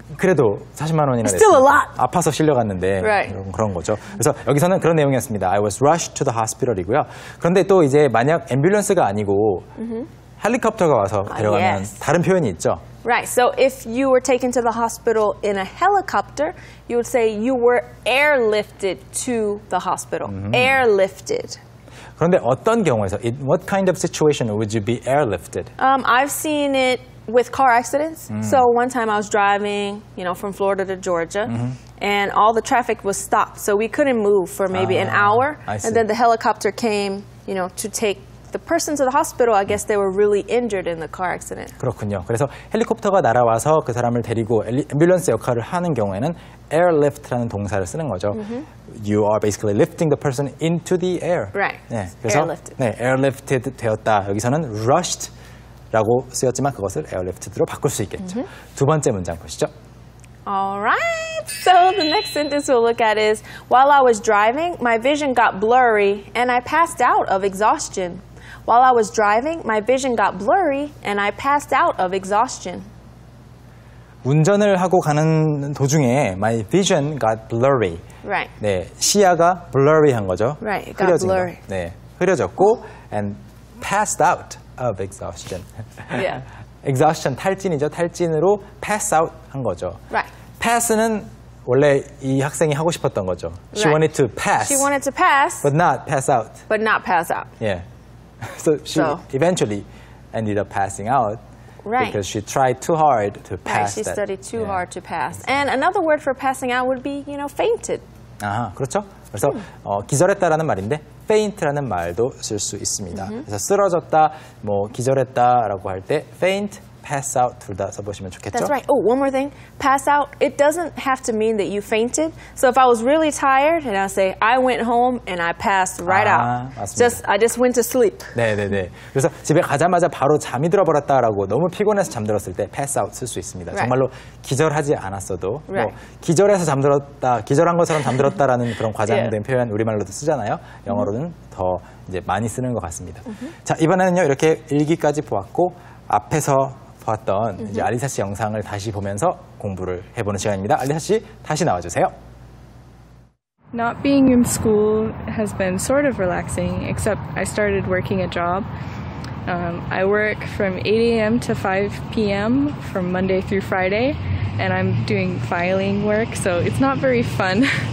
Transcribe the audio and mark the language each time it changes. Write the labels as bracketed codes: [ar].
[ko] 그래도 40만 원이나. [en] Still a lot. [ko] 아파서 실려갔는데. [en] Right. [ko] 그런 거죠. 그래서 여기서는 그런 내용이었습니다. [en] I was rushed to the hospital 이고요. [ko] 그런데 또 이제 만약 앰뷸런스가 아니고 헬리콥터가 와서 데려가면 [en] yes. [ko] 다른 표현이 있죠. [en] Right, so if you were taken to the hospital in a helicopter, you would say you were airlifted to the hospital. Mm-hmm. Airlifted. [ko] 그런데 어떤 경우에서, [en] in what kind of situation would you be airlifted? I've seen it with car accidents. Mm-hmm. So one time I was driving, you know, from Florida to Georgia, and all the traffic was stopped. So we couldn't move for maybe an hour. And then the helicopter came, you know, to take the person to the hospital, I guess they were really injured in the car accident. [ko] 그렇군요. 그래서 헬리콥터가 날아와서 그 사람을 데리고 앰뷸런스 역할을 하는 경우에는 airlift라는 동사를 쓰는 거죠. [en] You are basically lifting the person into the air. Right. [ko] 네, 그래서 [en] airlifted. [ko] 네, airlifted 되었다. 여기서는 rushed 라고 쓰였지만 그것을 airlifted로 바꿀 수 있겠죠. Mm-hmm. 두 번째 문장 보시죠. [en] All right. So the next sentence we'll look at is While I was driving, my vision got blurry and I passed out of exhaustion. While I was driving, my vision got blurry and I passed out of exhaustion. [ko] 운전을 하고 가는 도중에 [en] my vision got blurry. Right. [ko] 네, 시야가 blurry 한 거죠. [en] Right. It got 흐려진 blurry. 거. [ko] 네. 흐려졌고 [en] and passed out of exhaustion. Yeah. [ko] exhaustion 탈진이죠. 탈진으로 pass out 한 거죠. [en] Right. [ko] pass는 원래 이 학생이 하고 싶었던 거죠. [en] She right. wanted to pass. She wanted to pass. But not pass out. But not pass out. Yeah. So she eventually ended up passing out right. because she tried too hard to pass. Right, she that. Studied too yeah. hard to pass. Exactly. And another word for passing out would be, you know, fainted. [ko] 아, 그렇죠. 그래서 기절했다라는 말인데 faint라는 말도 쓸 수 있습니다. Mm-hmm. 그래서 쓰러졌다, 뭐 기절했다라고 할 때 faint, pass out 둘 다 써보시면 좋겠죠. [en] That's right. Oh, one more thing. Pass out, it doesn't have to mean that you fainted. So if I was really tired and I say, I went home and I passed right [ko] 아, [en] out. [ko] 맞습니다. [en] Just, I just went to sleep. [ko] 네네네. 그래서 집에 가자마자 바로 잠이 들어버렸다라고 너무 피곤해서 잠들었을 때 pass out 쓸 수 있습니다. [en] Right. [ko] 정말로 기절하지 않았어도 right. 뭐 기절해서 잠들었다, 기절한 것처럼 잠들었다라는 그런 과장된 yeah. 표현 우리말로도 쓰잖아요. 영어로는 더 이제 많이 쓰는 것 같습니다. Mm-hmm. 자, 이번에는요. 이렇게 일기까지 보았고 앞에서 봤던 mm-hmm. 이제 알리사 씨 영상을 다시 보면서 공부를 해보는 시간입니다. 알리사 씨, 다시 나와주세요. [en] Not being in school has been sort of relaxing, except I started working a job. I work from 8 a.m. to 5 p.m. from Monday through Friday, and I'm doing filing work, so it's not very fun.